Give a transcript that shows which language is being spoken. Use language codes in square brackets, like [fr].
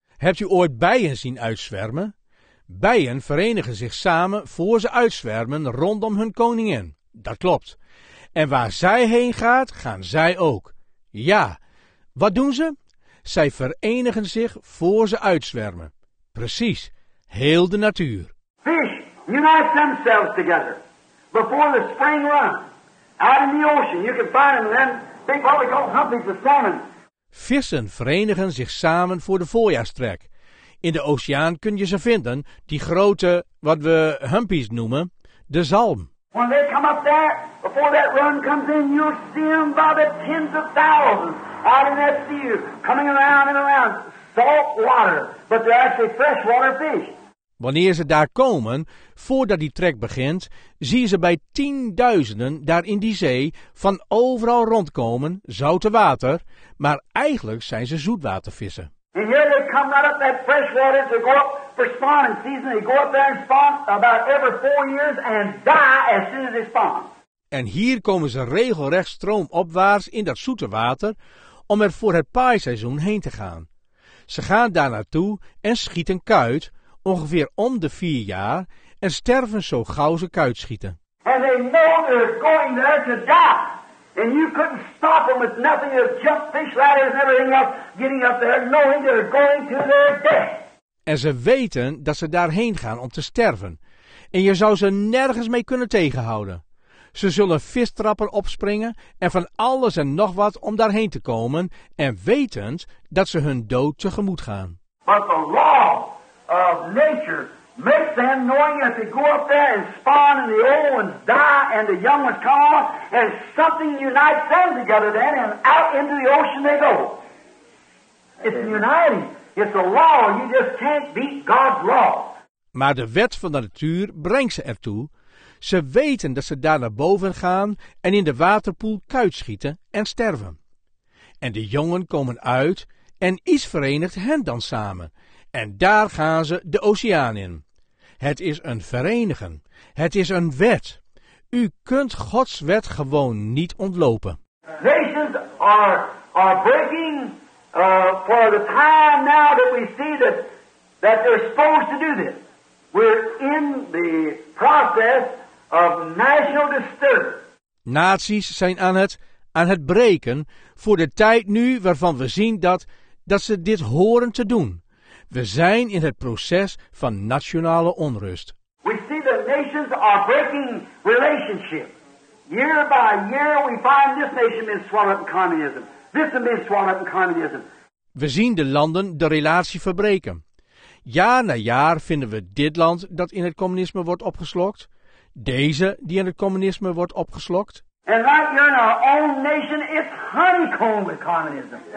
[nl] Hebt u ooit bijen zien uitzwermen? Bijen verenigen zich samen voor ze uitzwermen rondom hun koningin. Dat klopt. En waar zij heen gaat, gaan zij ook. Ja, wat doen ze? Zij verenigen zich voor ze uitzwermen. Precies, heel de natuur. [en] Fish unite themselves together before the spring run. Out in the ocean, you can find them then. They probably go hunting for salmon. [nl] Vissen verenigen zich samen voor de voorjaarstrek. In de oceaan kun je ze vinden, die grote, wat we humpies noemen, de zalm. [en] When they come up there, before that run comes in, you'll see them by the tens of thousands out in that sea, coming around and around, salt water, but they're actually freshwater fish. [nl] Wanneer ze daar komen, voordat die trek begint, zie je ze bij tienduizenden daar in die zee van overal rondkomen, zoute water, maar eigenlijk zijn ze zoetwatervissen. [en] And here they come right up that fresh water to go up for spawning season. They go up there and spawn about every 4 years and die as soon as they spawn. [nl] En hier komen ze regelrecht stroomopwaarts in dat zoete water om er voor het paaiseizoen heen te gaan. Ze gaan daar naartoe en schieten kuit, ongeveer om de 4 jaar, en sterven zo gauw ze kuit schieten. [en] And they know they're going there to die. And you couldn't stop them with nothing but jump fish ladders and everything else getting up there, knowing they're going to their death. [nl] En ze weten dat ze daarheen gaan om te sterven. En je zou ze nergens mee kunnen tegenhouden. Ze zullen vistrappen opspringen en van alles en nog wat om daarheen te komen, en wetend dat ze hun dood tegemoet gaan. [en] But the law of nature makes them knowing that they go up there and spawn, and the old ones die and the young ones come off, and something unites them together then, and out into the ocean they go. It's uniting. It's a law. You just can't beat God's law. [nl] Maar de wet van de natuur brengt ze ertoe. Ze weten dat ze daar naar boven gaan en in de waterpoel kuit schieten en sterven. En de jongen komen uit en iets verenigt hen dan samen. En daar gaan ze de oceaan in. Het is een verenigen. Het is een wet. U kunt Gods wet gewoon niet ontlopen. [en] Nations are breaking for the time now that we see that they're supposed to do this. We're in the process of national disturbance. [nl] Naties zijn aan het breken voor de tijd nu waarvan we zien dat ze dit horen te doen. We zijn in het proces van nationale onrust. [en] We see the nations are breaking relationship. Year by year we find this nation been swallowed up in communism. This has been swallowed up in communism. [nl] We zien de landen de relatie verbreken. Jaar na jaar vinden we dit land dat in het communisme wordt opgeslokt. Deze die in het communisme wordt opgeslokt. [en] And right here in our own nation it's honeycombed with communism.